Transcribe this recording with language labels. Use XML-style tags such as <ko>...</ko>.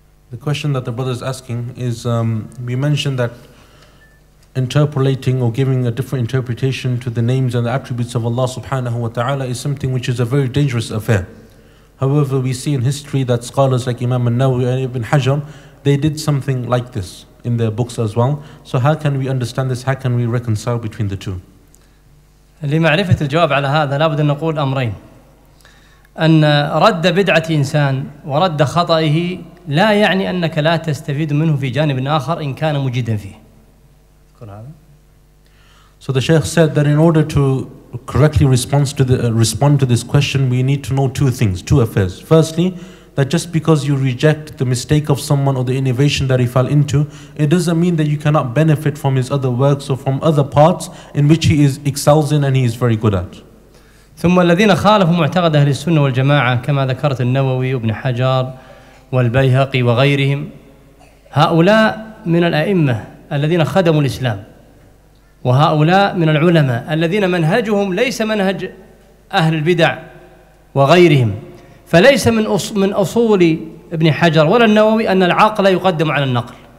<en>The question that the brother is asking is, we mentioned that interpolating or giving a different interpretation to the names and the attributes of Allah Subhanahu wa Ta'ala is something which is a very dangerous affair. However, we see in history that scholars like Imam An-Nawawi and Ibn Hajar, they did something like this in their books as well. So how can we understand this? How can we reconcile between the two?</en> <ar>لمعرفة الجواب على هذا لابد أن نقول أمرين. أن رد بدعة إنسان ورد خطأه لا يعني أنك لا تستفيد منه في جانب آخر إن كان مجيدا فيه.</ar> <en>So the Shaykh said that in order to correctly respond to this question, we need to know two things, two affairs. Firstly, that just because you reject the mistake of someone or the innovation that he fell into, it doesn't mean that you cannot benefit from his other works or from other parts in which he is excels in and he is very good at.</en> <ar>ثم الذين خالفوا معتقد أهل السنة والجماعة كما ذكرت النووي وابن حجر والبيهقي وغيرهم هؤلاء من الأئمة الذين خدموا الإسلام وهؤلاء من العلماء الذين منهجهم ليس منهج أهل البدع وغيرهم فليس من أصول ابن حجر ولا النووي أن العقل يقدم على النقل</ar>